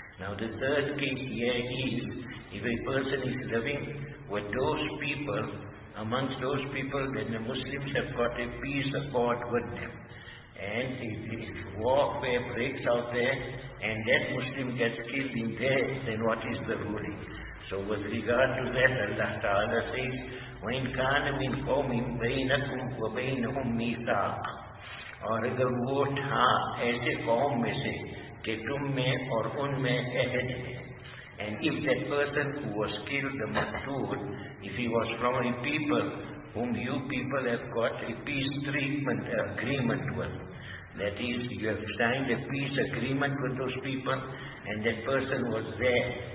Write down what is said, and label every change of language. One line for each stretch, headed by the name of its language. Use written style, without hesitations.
English: Now the third case here is, if a person is living with those people, amongst those people, then the Muslims have got a peace accord with them. And if warfare breaks out there and that Muslim gets killed in there, then what is the ruling? So with regard to that, Allah Ta'ala says,
Arabic: وَإِنْ كَانَ مِنْ قَوْمٍ بَيْنَكُمْ وَبَيْنَهُمْ مِيثَاقٌ.
Urdu: اور اگر وہ تھا ایسے قوم میں سے کہ تم میں اور ان میں عہد ہے.
English: And if that person who was killed, the maqtool, if he was from a people whom you people have got a peace treatment agreement with, that is, you have signed a peace agreement with those people, and that person was there,